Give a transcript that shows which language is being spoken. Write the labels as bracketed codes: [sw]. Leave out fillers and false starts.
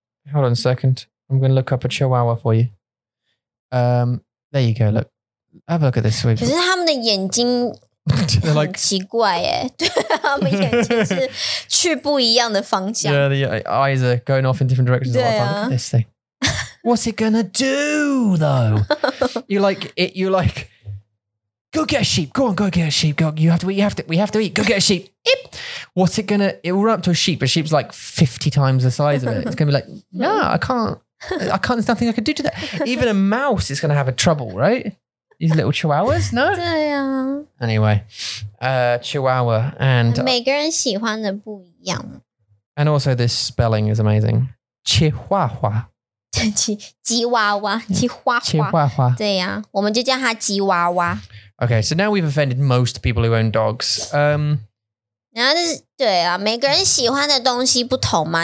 [en] Hold on a second I'm going to look up a chihuahua for you There you go look Have a look at this [zh] 可是他们的眼睛 [en] They're like, [zh] 很奇怪耶，对，他们眼睛是去不一样的方向。 [en] Yeah, the eyes are going off in different directions. [zh] 对啊。 [en] Look at this thing. What's it gonna do, though? You're like, go get a sheep. Go on, go get a sheep. Go. You have to eat. We have to eat. Go get a sheep. Eep. What's it gonna? It will run up to a sheep. A sheep's like 50 times the size of it. It's gonna be like, no, I can't. There's nothing I can do to that. Even a mouse is gonna have a trouble, right? These little chihuahuas, no? [zh] 对啊。 [en] Anyway, chihuahua and... [zh] 每个人喜欢的不一样。 [en] And also this spelling is amazing. Chihuahua. [zh] 吉娃娃, chihuahua. [en] Chihuahua. [zh] 对啊,我们就叫它吉娃娃。 [en] Okay, so now we've offended most people who own dogs. [zh] 然后就是,对啊,每个人喜欢的东西不同嘛。